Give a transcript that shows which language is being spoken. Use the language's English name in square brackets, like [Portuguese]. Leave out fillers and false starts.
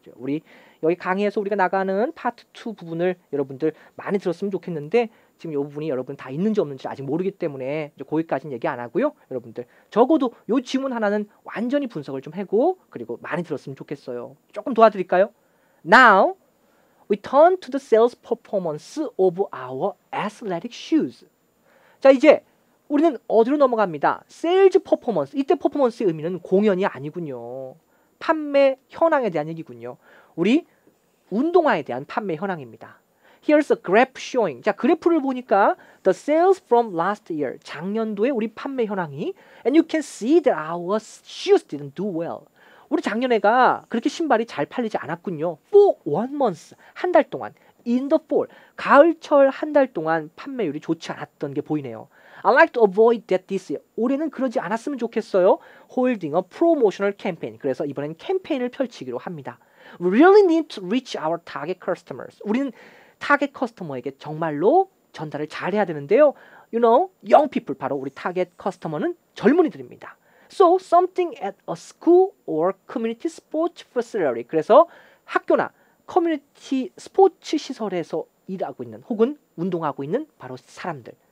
[Korean] 우리 여기 강의에서 우리가 나가는 파트 2 부분을 여러분들 많이 들었으면 좋겠는데 지금 이 부분이 여러분 다 있는지 없는지 아직 모르기 때문에 이제 거기까지는 얘기 안 하고요. 여러분들 적어도 이 지문 하나는 완전히 분석을 좀 하고 그리고 많이 들었으면 좋겠어요. 조금 도와드릴까요? [English] Now we turn to the sales performance of our athletic shoes. [Korean] 자, 이제 우리는 어디로 넘어갑니다. 세일즈 퍼포먼스. 이때 퍼포먼스의 의미는 공연이 아니군요. 판매 현황에 대한 얘기군요. 우리 운동화에 대한 판매 현황입니다. [English] Here's a graph showing. [Korean] 자, 그래프를 보니까 [English] the sales from last year. [Korean] 작년도에 우리 판매 현황이 [English] and you can see that our shoes didn't do well. [Korean] 우리 작년에가 그렇게 신발이 잘 팔리지 않았군요. [English] For one month, [Korean] 한 달 동안. [English] In the fall, [Korean] 가을철 한 달 동안 판매율이 좋지 않았던 게 보이네요. [English] I'd like to avoid that this year. [Korean] 올해는 그러지 않았으면 좋겠어요. [English] Holding a promotional campaign. [Korean] 그래서 이번엔 캠페인을 펼치기로 합니다. [English] We really need to reach our target customers. [Korean] 우리는 타겟 커스터머에게 정말로 전달을 잘해야 되는데요. [English] You know, young people, [Korean] 바로 우리 타겟 커스터머는 젊은이들입니다. [English] So, something at a school or community sports facility. [Korean] 그래서 학교나 커뮤니티 스포츠 시설에서 일하고 있는 혹은 운동하고 있는 바로 사람들.